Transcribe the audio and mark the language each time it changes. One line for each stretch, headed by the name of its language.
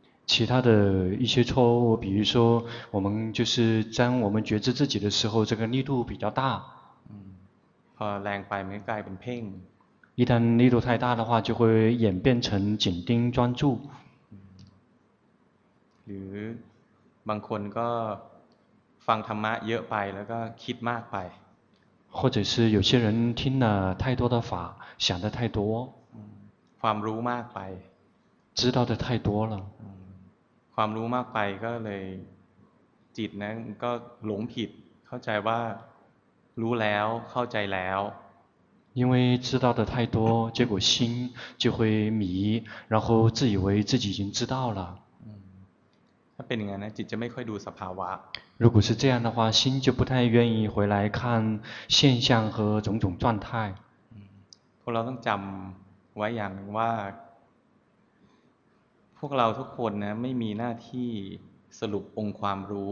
Chinese: 其他的一些错误比如说我们就是将我们觉知自己的时候这个力度比较大
Thai: พอแรงไปมันกลายเป็นเพ่ง
Chinese: 一旦力度太大的话就会演变成紧盯专注
Thai: หรือบางคนก็ฟังธรรมะเยอะไปแล้วก็คิดมากไป
Chinese: 或者是有些人听了太多的法想的太多
Thai: ความรู้มากไป
Chinese: 知道的太多了
Thai: ความรู้มากไปก็เลยจิตนั้นก็หลงผิดเข้าใจว่ารู้แล้วเข้าใจแล้ว
Chinese: 因为知道的太多结果心就会迷然后自以为自己已经知道了
Thai: ถ้าเป็นอย่างนั้นจิตจะไม่ค่อยดูสภาวะ
Chinese: 如果是这样的话心就不太愿意回来看现象和种种状态
Thai: พวกเราต้องจำไว้อย่างว่าพวกเราทุกคนนะไม่มีหน้าที่สรุปองค์ความรู